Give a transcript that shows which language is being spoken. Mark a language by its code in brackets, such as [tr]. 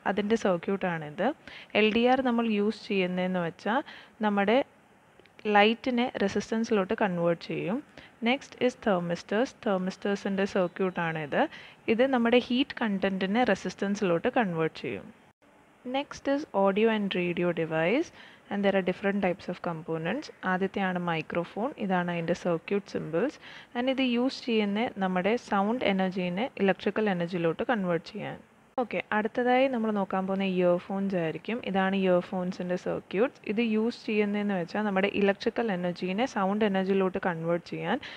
[ml] അതിൻ്റെ സർക്യൂട്ടാണിത്. LDR നമ്മൾ use ചെയ്യുന്നതെന്ന് വെച്ചാൽ നമ്മുടെ ലൈറ്റിനെ റെസിസ്റ്റൻസിലോട്ട് കൺവേർട്ട് ചെയ്യും. [en] Next is thermistors. [ml] തെർമിസ്റ്റേഴ്സിൻ്റെ സർക്യൂട്ടാണിത്. ഇത് നമ്മുടെ ഹീറ്റ് കണ്ടൻറ്റിനെ റെസിസ്റ്റൻസിലോട്ട് കൺവേർട്ട് ചെയ്യും. [en] Next is audio and radio device, and there are different types of components. [ml] ആദ്യത്തെയാണ് microphone, ഇതാണ് അതിൻ്റെ സർക്യൂട്ട് സിമ്പിൾസ്. ആൻഡ് ഇത് യൂസ് ചെയ്യുന്ന നമ്മുടെ സൗണ്ട് എനർജീനെ ഇലക്ട്രിക്കൽ എനർജിയിലോട്ട് കൺവേർട്ട് ചെയ്യാൻ. ഓക്കെ, അടുത്തതായി നമ്മൾ നോക്കാൻ പോകുന്ന ഇയർഫോൺസ് ആയിരിക്കും. ഇതാണ് ഇയർഫോൺസിൻ്റെ സർക്യൂട്ട്. ഇത് യൂസ് ചെയ്യുന്നതെന്ന് വെച്ചാൽ നമ്മുടെ ഇലക്ട്രിക്കൽ എനർജീനെ സൗണ്ട് എനർജിയിലോട്ട് കൺവേർട്ട് ചെയ്യാൻ.